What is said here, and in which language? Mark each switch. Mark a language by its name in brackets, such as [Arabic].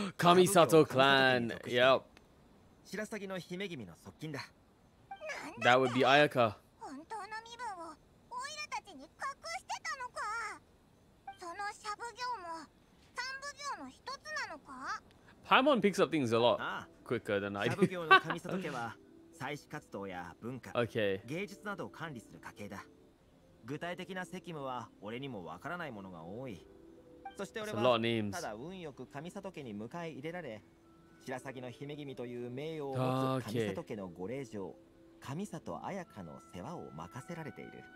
[Japanese] 神里クラン。Yep. 白鷺の姫君の側近だ。 [English] That would be Ayaka. [Japanese] 本当の身分をオイラたちに隠してたのか。その社奉行も三奉行の一つなのか。 [English] Paimon picks up things a lot quicker than I do. [Japanese] 社奉行の神里家は。祭祀活動や文化、 [English] okay. [Japanese] 芸術などを管理する家系だ。具体的な責務は俺にもわからないものが多い。そして俺はただ運よく神里家に迎え入れられ、白鷺の姫君という名誉を持つ神里家のご令嬢、神里彩香の世話を任せられている。